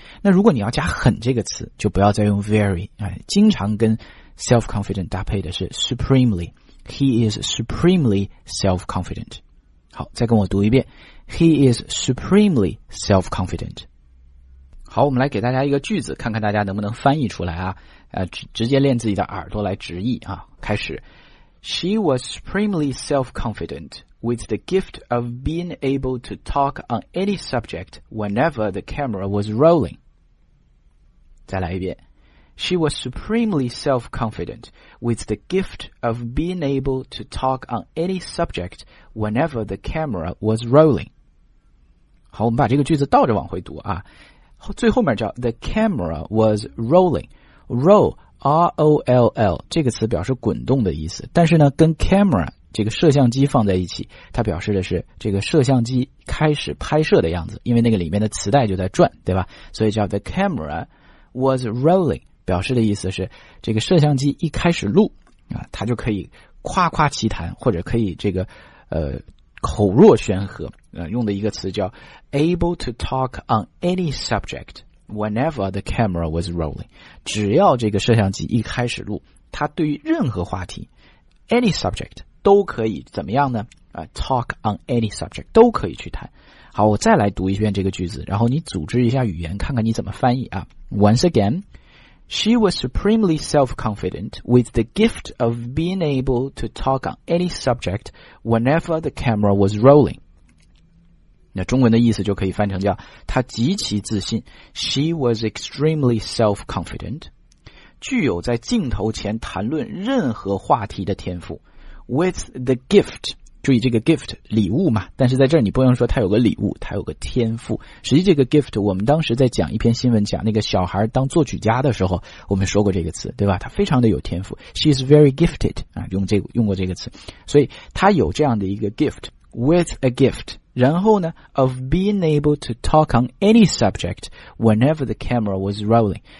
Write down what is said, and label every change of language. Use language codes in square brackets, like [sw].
[zh] 那如果你要加很这个词，就不要再用 very， 经常跟 self confident 搭配的是 supremely。 [en] He is supremely self confident。 [zh] 好，再跟我读一遍， He is supremely self confident。 好，我们来给大家一个句子，看看大家能不能翻译出来啊。直接练自己的耳朵来直译啊，开始。 [en] She was supremely self-confident with the gift of being able to talk on any subject whenever the camera was rolling. [zh] 再来一遍。 [en] She was supremely self-confident with the gift of being able to talk on any subject whenever the camera was rolling. [zh] 好，我们把这个句子倒着往回读啊。最后面叫 [en] the camera was rolling. [zh] Roll, R-O-L-L, 这个词表示滚动的意思。但是呢，跟 camera, 这个摄像机放在一起，它表示的是这个摄像机开始拍摄的样子，因为那个里面的磁带就在转，对吧？所以叫 [en] the camera was rolling. [zh] 表示的意思是这个摄像机一开始录啊，它就可以夸夸其谈，或者可以这个口若悬河用的一个词叫 [en] able to talk on any subject whenever the camera was rolling, [zh] 只要这个摄像机一开始录，它对于任何话题 any subject 都可以怎么样呢 [en] talk on any subject [zh] 都可以去谈。好，我再来读一遍这个句子，然后你组织一下语言，看看你怎么翻译啊。 [en] Once againShe was supremely self-confident with the gift of being able to talk on any subject whenever the camera was rolling. [zh] 那中文的意思就可以翻成叫她极其自信。 [en] She was extremely self-confident. [zh] 具有在镜头前谈论任何话题的天赋。 With the gift, 注意这个 gift, 礼物嘛。但是在这儿你不用说她有个礼物，她有个天赋。实际这个 gift, 我们当时在讲一篇新闻，讲那个小孩当作曲家的时候，我们说过这个词，对吧？她非常的有天赋。 [en] She is very gifted, [zh] 啊，用过这个词。所以她有这样的一个 [en] gift, with a gift, [zh] 然后呢 [en] ,of being able to talk on any subject whenever the camera was rolling.